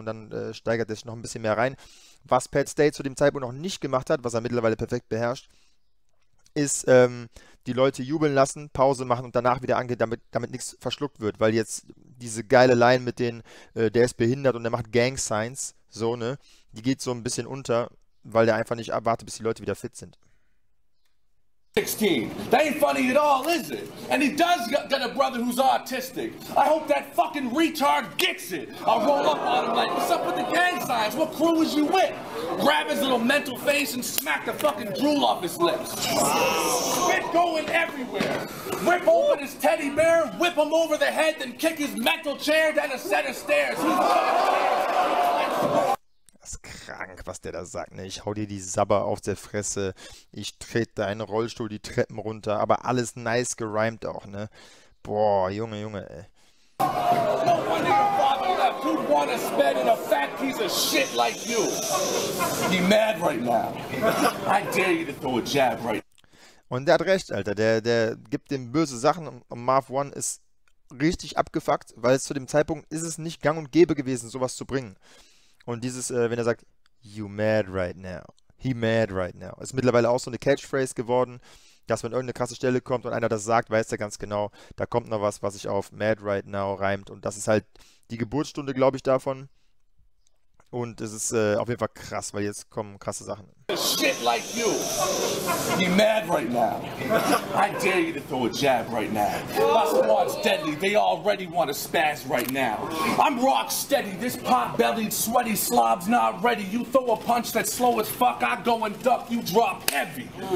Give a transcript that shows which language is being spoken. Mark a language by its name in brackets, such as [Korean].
[German] Und dann steigert er sich noch ein bisschen mehr rein. Was Pat Stay zu dem Zeitpunkt noch nicht gemacht hat, was er mittlerweile perfekt beherrscht, ist, die Leute jubeln lassen, Pause machen und danach wieder angeht, damit nichts verschluckt wird. Weil jetzt diese geile Line mit den, der ist behindert und der macht Gang-Signs, so, ne? Die geht so ein bisschen unter, weil der einfach nicht abwartet, bis die Leute wieder fit sind. [English] 16. That ain't funny at all, is it? And he does got a brother who's autistic. I hope that fucking retard gets it. I'll roll up on him like, what's up with the gang signs? What crew is you with? Grab his little mental face and smack the fucking drool off his lips. Spit going everywhere. Rip open his teddy bear, whip him over the head, then kick his metal chair down a set of stairs. He's [German] ist krank, was der da sagt, ne? Ich hau dir die Sabber auf der Fresse, ich trete deinen Rollstuhl die Treppen runter, aber alles nice gerimt auch, ne? Boah, Junge, Junge, ey. [English] No one in your father left, who'd want to spend in a fat piece of shit like you? Be mad right now. I dare you to throw a jab right now. [German] Und der hat recht, Alter, der gibt dem böse Sachen und Marv One ist richtig abgefuckt, weil es zu dem Zeitpunkt ist es nicht gang und gäbe gewesen, sowas zu bringen. Und dieses, wenn er sagt, [English] you mad right now, [German] he [English] mad right now, [German] ist mittlerweile auch so eine Catchphrase geworden, dass wenn irgendeine krasse Stelle kommt und einer das sagt, weiß er ganz genau, da kommt noch was, was sich auf mad right now reimt. Und das ist halt die Geburtsstunde, glaube ich, davon. Und es ist auf jeden Fall krass, weil jetzt kommen krasse Sachen. [English] Shit like you, be mad right now. I dare you to throw a jab right now. My squad's deadly, they already want to spaz right now. I'm rock steady, this pot-bellied, sweaty slob's not ready. You throw a punch that's slow as fuck, I go and duck, you drop heavy.